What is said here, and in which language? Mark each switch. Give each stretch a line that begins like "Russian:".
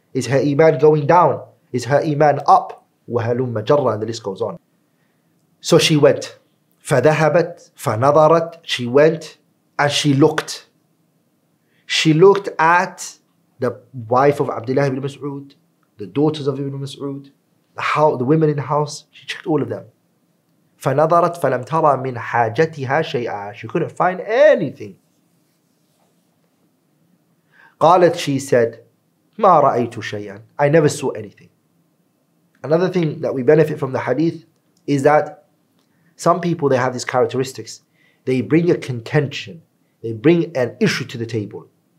English: Is her iman going down? Is her iman up?
Arabic: وَهَلُمَّ جَرَّ,
English: and the list goes on. So she went.
Arabic: فَذَهَبَتْ فَنَظَرَتْ,
English: she went and she looked. She looked at the wife of Abdullah ibn Mas'ud, the daughters of Ibn Mas'ud, the women in the house. She checked all of them.
Arabic: فَنَظَرَتْ فَلَمْ تَرَى مِنْ حَاجَتِهَا شَيْئًا,
English: she couldn't find anything.
Arabic: قَالَتْ,
English: she said,
Arabic: مَا رَأَيْتُ شَيْئًا,
English: I never saw anything. Another thing that we benefit from the hadith is that some people, they have these characteristics. They bring a contention. They bring an issue to the table.